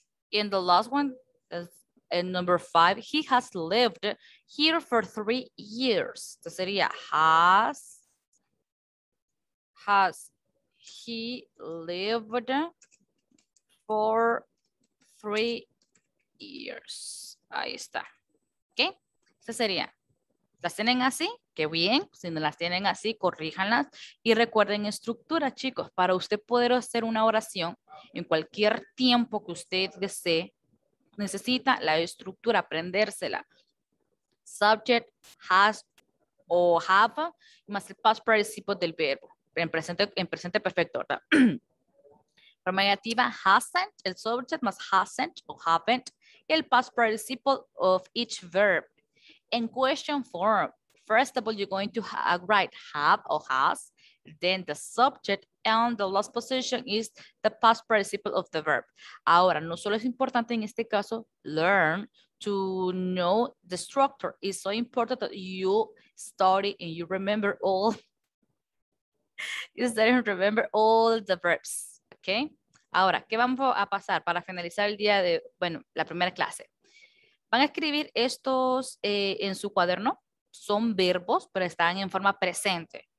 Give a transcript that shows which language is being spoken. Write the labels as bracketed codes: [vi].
[en] In the last one, in number 5, he has lived here for 3 years. [es] Entonces sería [en] has he lived for 3 years. [es] Ahí está. Ok, esa sería. ¿Las tienen así? Qué bien. Si no las tienen así, corríjanlas. Y recuerden estructura, chicos. Para usted poder hacer una oración en cualquier tiempo que usted desee, necesita la estructura, aprendérsela. Subject, has o have, más el past participle del verbo. En presente perfecto, ¿verdad? Forma negativa, hasn't, el subject más hasn't o haven't, y el [en] past participle of each verb. In question form, first of all, you're going to write have or has, then the subject, and the last position is the past participle of the verb. [es] Ahora, no solo es importante en este caso, [en] learn to know the structure. It's so important that you study and you remember all. Is there remember all the verbs, okay? [es] Ahora, ¿qué vamos a pasar para finalizar el día de, bueno, la primera clase? Van a escribir estos en su cuaderno. Son verbos, pero están en forma presente.